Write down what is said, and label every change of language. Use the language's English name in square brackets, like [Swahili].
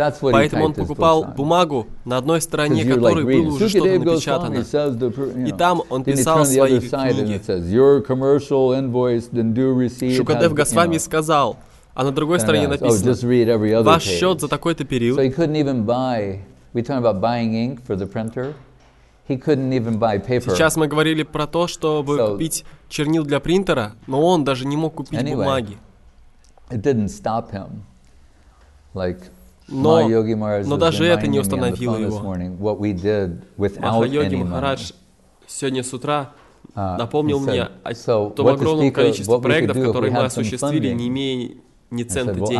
[Russian] Поэтому он покупал бумагу, на одной стороне которой было уже что-то напечатано. И там он писал свои книги. Шукадев Госвами сказал, а на другой стороне написано, ваш счет за такой-то период. [English] So he couldn't even buy. We talk about buying ink for the printer. He couldn't even buy paper. [Russian] Сейчас мы говорили про то, чтобы купить чернил для принтера, но он даже не мог купить бумаги. [English] It didn't stop him. Like, [Russian] но даже это не остановило его. Махайоги Махарадж сегодня с утра напомнил мне о том огромном количестве проектов, которые мы осуществили, не имея ни цента денег.